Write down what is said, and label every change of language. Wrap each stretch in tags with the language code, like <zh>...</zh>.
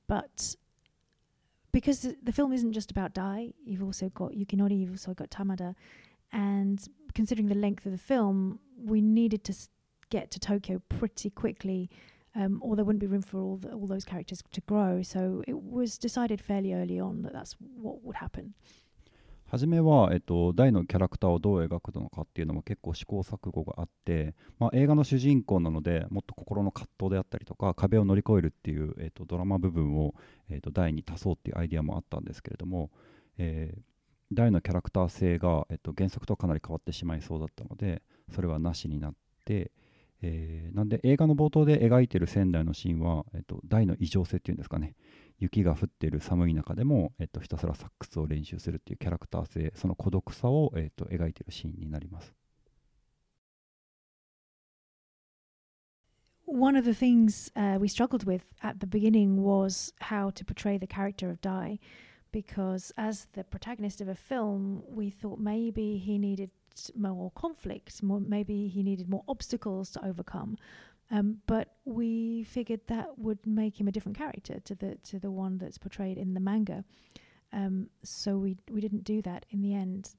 <en>But because the film isn't just about Dai, you've also got Yukinori, you've also got Tamada. And considering the length of the film, we needed to get to Tokyo pretty quickly, or there wouldn't be room for all those characters to grow. So it was decided fairly early on that that's what would happen.</en> <ja>はじめは、大のキャラクターをどう描くのかっていうのも結構試行錯誤があって、まあ、映画の主人公なのでもっと心の葛藤であったりとか壁を乗り越えるっていう、ドラマ部分を、大に足そうっていうアイデアもあったんですけれども、大のキャラクター性が、原作とはかなり変わってしまいそうだったのでそれはなしになって、なんで映画の冒頭で描いてる仙台のシーンは、大の異常性っていうんですかね、雪が降ってる寒い中でも、ひたすらサックスを練習するっていうキャラクター性、その孤独さを、描いてるシーンになります。</ja> <en>One of the things、we struggled with at the beginning was how to portray the character of Dai, because as the protagonist of a film, we thought maybe he neededmore conflict, maybe he needed more obstacles to overcome, but we figured that would make him a different character to the one that's portrayed in the manga, so we didn't do that in the end.</en>